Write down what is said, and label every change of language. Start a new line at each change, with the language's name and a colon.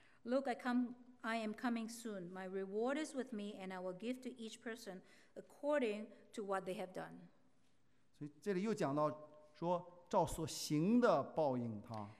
English: Look, I am coming soon. My reward is with me, and I will give to each person according to what they have done.
Chinese: 所以这里又讲到说照所行的报应他。